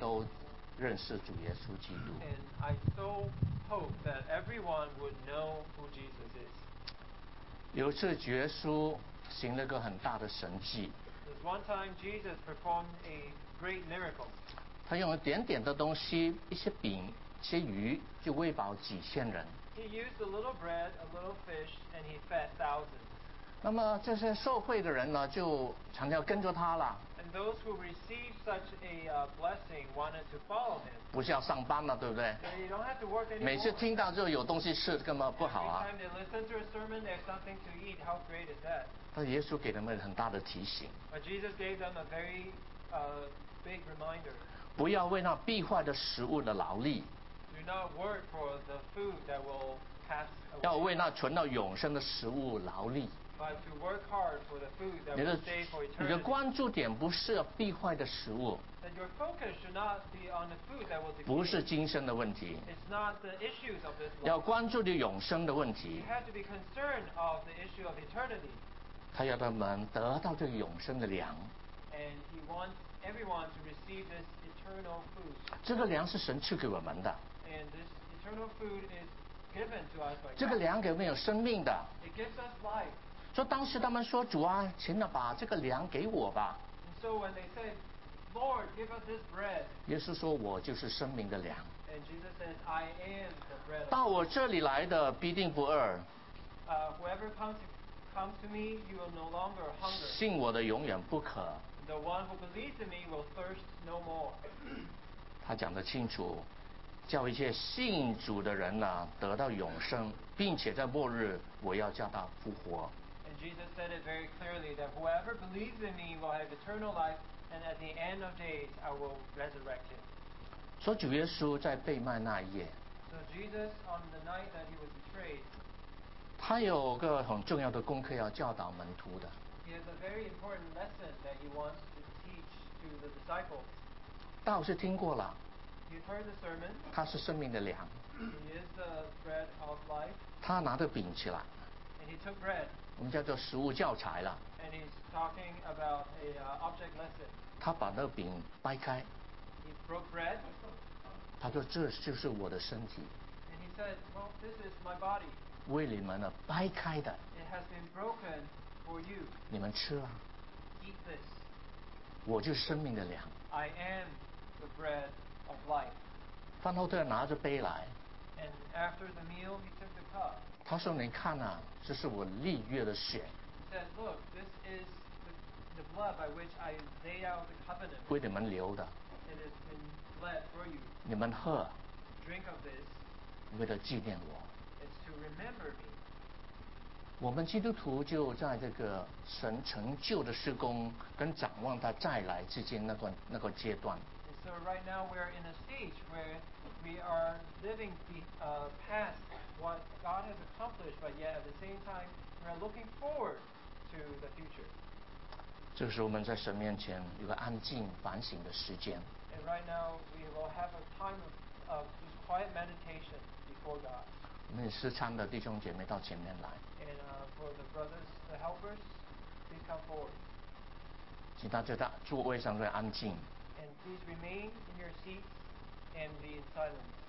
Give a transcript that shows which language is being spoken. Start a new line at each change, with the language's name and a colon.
English: I so hope that everyone would know who Jesus is.
Chinese: 有一次，耶稣行了个很大的神迹。
English: There's one time Jesus performed a great miracle.
Chinese: 他用了点点的东西，一些饼，一些鱼，就喂饱几千人。
English: He used a little bread, a little fish, and he fed thousands.
Chinese: 那么这些受惠的人呢，就常常跟着他了。
English: And those who receive such a blessing wanted to follow him.
Chinese: 不是要上班了，对不对？
English: You don't have to work anymore.
Chinese: 每次听到就有东西吃，根本不好啊。
English: Every time they listen to a sermon, there's something to eat. How great is that?
Chinese: 但耶稣给他们很大的提醒。
English: But Jesus gave them a very big reminder.
Chinese: 不要为那必坏的食物的劳力。
English: Do not work for the food that will pass away.
Chinese: 要为那存到永生的食物劳力。
English: But to work hard for the food that will stay for eternity.
Chinese: 你的关注点不是必坏的食物。
English: That your focus should not be on the food that will decay.
Chinese: 不是今生的问题。
English: It's not the issues of this life.
Chinese: 要关注的永生的问题。
English: You have to be concerned of the issue of eternity.
Chinese: 他要他们得到这永生的粮。
English: And he wants everyone to receive this eternal food.
Chinese: 这个粮是神赐给我们的。
English: And this eternal food is given to us by God.
Chinese: 这个粮给我们有生命的。
English: It gives us life.
Chinese: 说当时他们说主啊，请你把这个粮给我吧。
English: And so when they said, Lord, give us this bread.
Chinese: 耶稣说我就是生命的粮。
English: And Jesus says, I am the bread.
Chinese: 到我这里来的必定不饿。
English: Whoever comes to me, you will no longer hunger.
Chinese: 信我的永远不渴。
English: The one who believes in me will thirst no more.
Chinese: 他讲得清楚，叫一切信主的人呢、啊、得到永生，并且在末日我要叫他复活。
English: Jesus said it very clearly that whoever believes in me will have eternal life, and at the end of days I will resurrect him.
Chinese: 说主耶稣在被卖那一夜。
English: So Jesus on the night that he was betrayed.
Chinese: 他有个很重要的功课要教导门徒的。
English: He has a very important lesson that he wants to teach to the disciples.
Chinese: 道是听过了。
English: You've heard the sermon.
Chinese: 他是生命的粮。
English: He is the bread of life.
Chinese: 他拿着饼起来。
English: And he took bread.
Chinese: 我们叫做食物教材了。
English: And he's talking about a object lesson.
Chinese: 他把那饼掰开。
English: He broke bread.
Chinese: 他说这就是我的身体。
English: And he said, well, this is my body.
Chinese: 为你们呢掰开的。
English: It has been broken for you.
Chinese: 你们吃了。
English: Eat this.
Chinese: 我就是生命的粮。
English: I am the bread of life.
Chinese: 饭后他拿着杯来。
English: And after the meal, he took the cup.
Chinese: 他说你看啊，这是我立约的血。
English: He said, look, this is the blood by which I laid out the covenant.
Chinese: 为你们流的。
English: It has been bled for you.
Chinese: 你们喝。
English: Drink of this.
Chinese: 为了纪念我。
English: It's to remember me.
Chinese: 我们基督徒就在这个神成就的施工跟展望他再来之间那个阶段。
English: So right now we are in a stage where we are living past what God has accomplished, but yet at the same time we are looking forward to the future.
Chinese: 这个时候我们在神面前有个安静反省的时间。
English: And right now we will have a time of just quiet meditation before God.
Chinese: 我们施餐的弟兄姐妹到前面来。
English: And for the brothers, the helpers, please come forward.
Chinese: 请大家在座位上安静。
English: And please remain in your seats and be in silence.